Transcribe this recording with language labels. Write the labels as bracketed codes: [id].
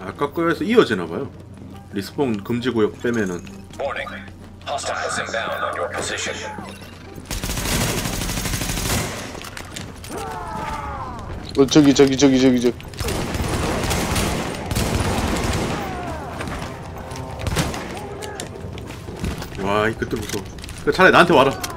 [ko] 아까 거에서 이어지나 봐요. 리스폰 금지 구역 빼면은. [en] Warning. Hostiles inbound on your position. [ko] 어, 저기 저기 저기 저기 저. 와, 이 끝도 무서워. 그 차라리 나한테 와라.